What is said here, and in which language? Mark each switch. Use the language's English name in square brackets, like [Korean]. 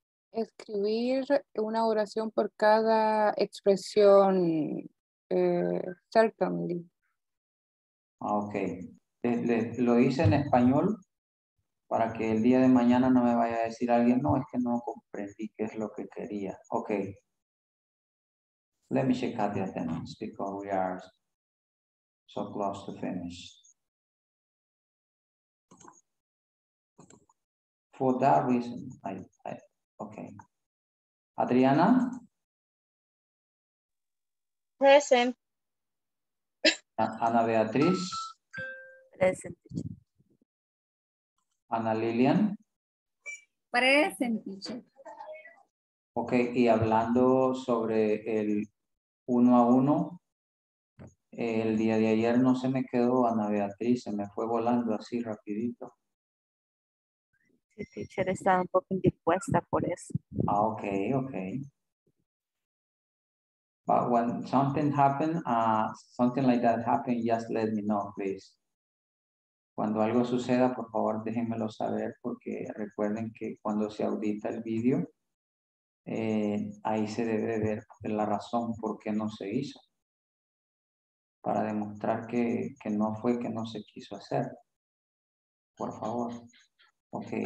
[Spanish] Escribir una oración por cada expresión, certainly. Ok, lo hice en español para que el día de mañana no me vaya a decir alguien, no, es que no comprendí qué es lo que quería. [English] Ok, let me check out the attendance because we are so close to finish. For that reason, ok. Adriana? Present. Ana Beatriz? Present. Ana Lilian? Present, teacher. [Spanish] Ok, y hablando sobre el 1-1, el día de ayer no se me quedó Ana Beatriz, se me fue volando así rapidito. Sí, teacher, está un poco indispuesta por eso. [English] Okay, okay. But when something happened, something like that happened, just let me know, please. [Spanish] Cuando algo suceda, por favor, déjenmelo saber, porque recuerden que cuando se audita el video, ahí se debe ver la razón por qué no se hizo. Para demostrar que no fue, que no se quiso hacer. Por favor. Okay.